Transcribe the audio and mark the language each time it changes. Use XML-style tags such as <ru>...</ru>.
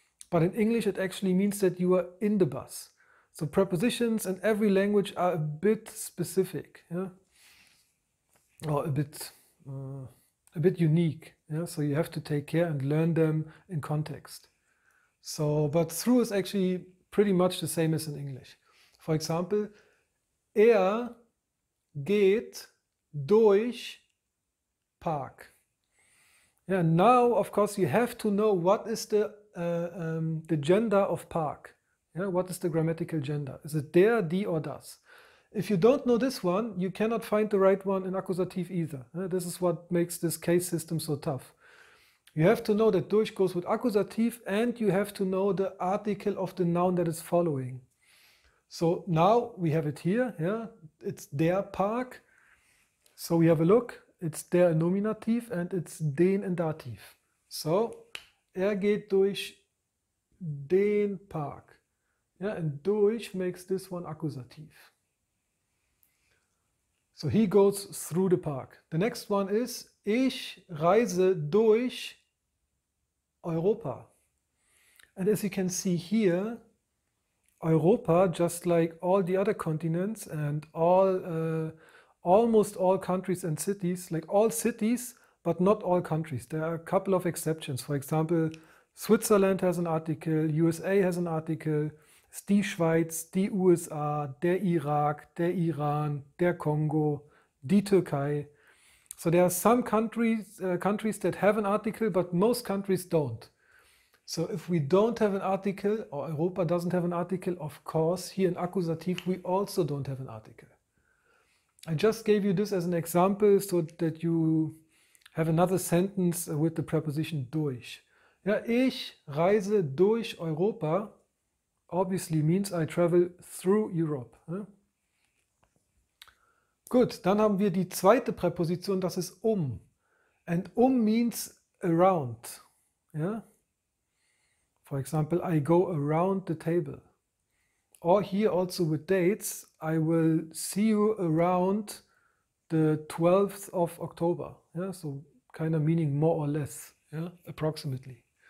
<en>But in English, it actually means that you are in the bus. So prepositions in every language are a bit specific, yeah? Or a bit unique. Yeah? So you have to take care and learn them in context. So, but through is actually pretty much the same as in English. For example,</en> <de>geht durch Park.</de> <en>Yeah, now, of course, you have to know what is the gender of Park. Yeah, what is the grammatical gender? Is it der, die, or das? If you don't know this one, you cannot find the right one in accusative either. This is what makes this case system so tough. You have to know that durch goes with accusative, and you have to know the article of the noun that is following. So now we have it here, yeah, it's der Park. So we have a look, it's der nominative and it's den in dative.</en> <de>So geht durch den Park.</de> <en>Yeah, and durch makes this one accusative. So he goes through the park. The next one is</en> <de>ich reise durch Europa.</de> <en>And as you can see here, Europa, just like all the other continents and all almost all countries and cities, like all cities, but not all countries. There are a couple of exceptions. For example, Switzerland has an article, USA has an article,</en> <de>die Schweiz, die USA, der Irak, der Iran, der Kongo, die Türkei.</de> <en>So there are some countries that have an article, but most countries don't. So if we don't have an article, or Europa doesn't have an article, of course, here in accusative, we also don't have an article. I just gave you this as an example so that you have another sentence with the preposition durch. Yeah,</en> <de>ich reise durch Europa</de> <en>obviously means I travel through Europe. Yeah?</en> <de>Good, dann haben wir die zweite Präposition, das ist And</de> <en>means around. Yeah? For example, I go around the table. Or here also with dates, I will see you around the 12th of October. Yeah, so kind of meaning more or less, yeah, approximately.</en>